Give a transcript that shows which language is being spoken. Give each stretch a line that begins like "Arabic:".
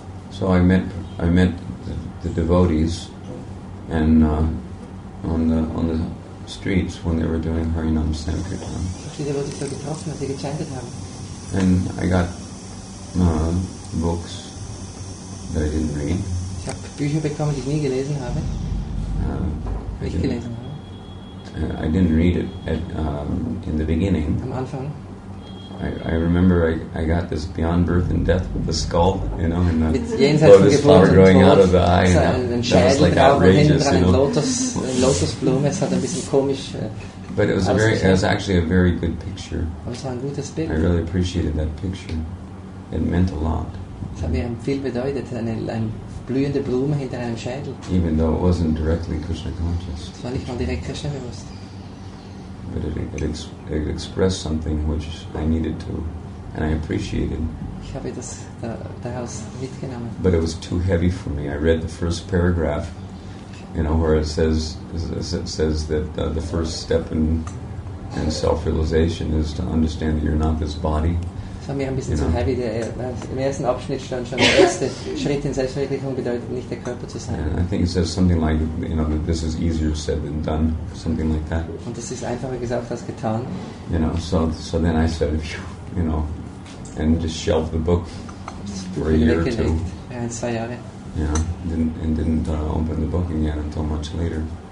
English: So I met the devotees, and on the streets when they were doing Harinam Sankirtan. And I got books that I didn't read.
German: Ich habe Bücher bekommen, die ich nie gelesen habe.
English: I didn't read it at in the beginning.
German: Am Anfang.
English: I remember I got this Beyond Birth and Death with the skull, you know, and the lotus flower growing
German: Tod,
English: out of the eye, and that was like outrageous, you know.
German: Lotus Blume, es hat ein bisschen komisch,
English: but it was a very, it was actually a very good picture.
German: Aber es war ein gutes Bild.
English: I really appreciated that picture. It meant a lot.
German: Es hat mir viel bedeutet, eine blühende Blume hinter einem Schädel.
English: Even though it wasn't directly Krishna conscious.
German: Es war nicht mal direkt Krishna bewusst.
English: But it expressed something which I needed to, and I appreciated.
German: Ich habe das daraus mitgenommen.
English: But it was too heavy for me. I read the first paragraph, you know, where it says that the first step in self-realization is to understand that you're not this body.
German: Das war mir ein bisschen zu heavy. Im ersten Abschnitt stand schon der erste Schritt in Selbstwirklichung bedeutet nicht der Körper zu sein.
English: And I think it says something like, you know, that this is easier said than done, something like that.
German: Und das ist einfacher gesagt als getan.
English: You know, so then I said, you know, and just shelved the book for a year or two.
German: Ja, in 2 Jahre.
English: Yeah, didn't open the book again until much later.